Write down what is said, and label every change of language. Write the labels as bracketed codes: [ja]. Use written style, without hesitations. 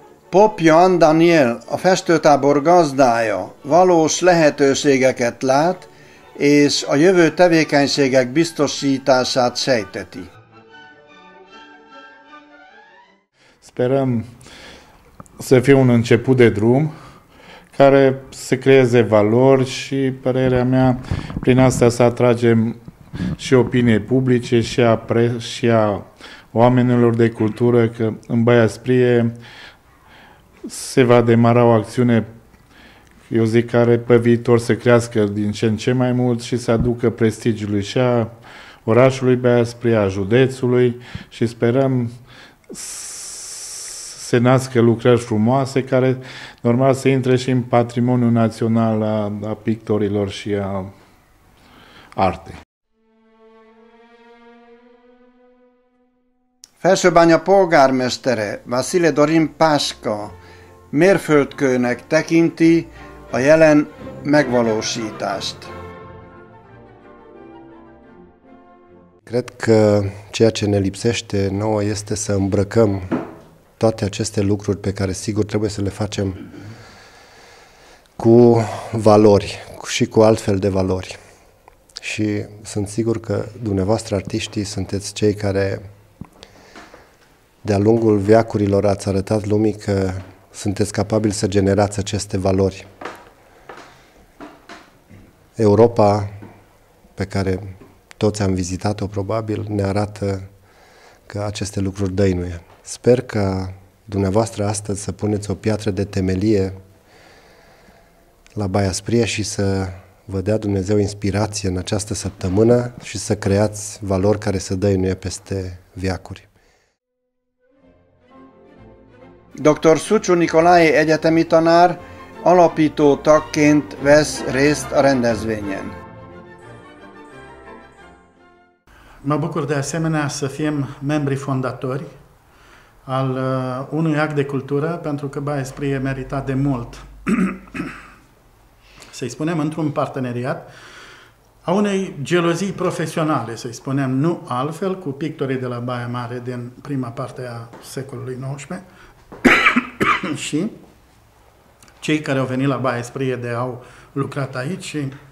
[hu] Pop Jan Daniel, a festőtábor gazdája, valós lehetőségeket lát, és a jövő tevékenységek biztosítását sejteti. [ro] Sperăm să fie un început de drum care să creeze valori și, părerea mea, prin asta să atragem și opinie publice și a, și a oamenilor de cultură că în Baia Sprie se va demara o acțiune, eu zic, care pe viitor să crească din ce în ce mai mult și să aducă prestigiului și a orașului Baia Sprie, a județului și sperăm să nască lucrări frumoase care normal să intre și în patrimoniul național a pictorilor și a artei. [hu] Felsőbánya polgármestere Vasile Dorin Pásca mérföldkőnek tekinti a jelen megvalósítást. [ro] Cred că ceea ce ne lipsește nouă este să îmbrăcăm toate aceste lucruri pe care sigur trebuie să le facem cu valori și cu altfel de valori. Și sunt sigur că dumneavoastră, artiștii, sunteți cei care de-a lungul veacurilor ați arătat lumii că sunteți capabili să generați aceste valori. Europa, pe care toți am vizitat-o probabil, ne arată că aceste lucruri dăinuie. Sper că dumneavoastră astăzi să puneți o piatră de temelie la Baia Sprie și să vă dea Dumnezeu inspirație în această săptămână și să creați valori care să dăinuie peste veacuri. [hu] Dr. Szucsu Nikolai egyetemi tanár alapító tagként vesz részt a rendezvényen. [ro] Mă bucur de asemenea să fim membri fondatori al unui act de cultură, pentru că Baia Sprie merita de mult, să-i spunem, într-un parteneriat a unei gelozii profesionale, să-i spunem, nu altfel, cu pictorii de la Baia Mare din prima parte a secolului XIX, și cei care au venit la Baia Sprie de au lucrat aici și